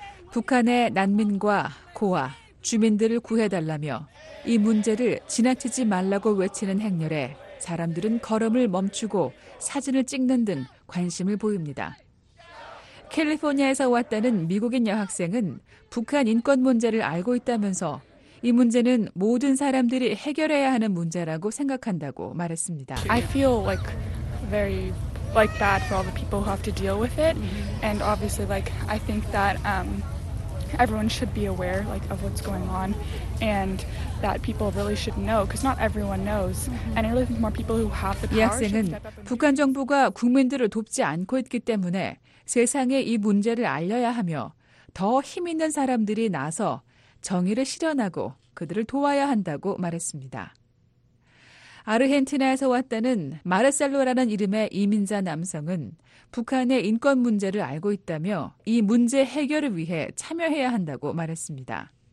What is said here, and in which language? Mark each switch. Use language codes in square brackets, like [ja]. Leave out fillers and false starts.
[ko] 북한의 난민과 고아, 주민들을 구해달라며 이 문제를 지나치지 말라고 외치는 행렬에 사람들은 걸음을 멈추고 사진을 찍는 등 관심을 보입니다. 캘리포니아에서 왔다는 미국인 여학생은 북한 인권 문제를 알고 있다면서 이 문제는 모든 사람들이 해결해야 하는 문제라고 생각한다고 말했습니다. [en] I feel like very like bad for all the people who have to deal with it and obviously like I think that everyone should be aware like of what's going on and that people really should know because not everyone knows and I really think more people who have the power [ko] 이 학생은 북한 정부가 국민들을 돕지 않고 있기 때문에 세상에 이 문제를 알려야 하며 더 힘 있는 사람들이 나서 정의를 실현하고 그들을 도와야 한다고 말했습니다. 아르헨티나에서 왔다는 마르셀로라는 이름의 이민자 남성은 북한의 인권 문제를 알고 있다며 이 문제 해결을 위해 참여해야 한다고 말했습니다.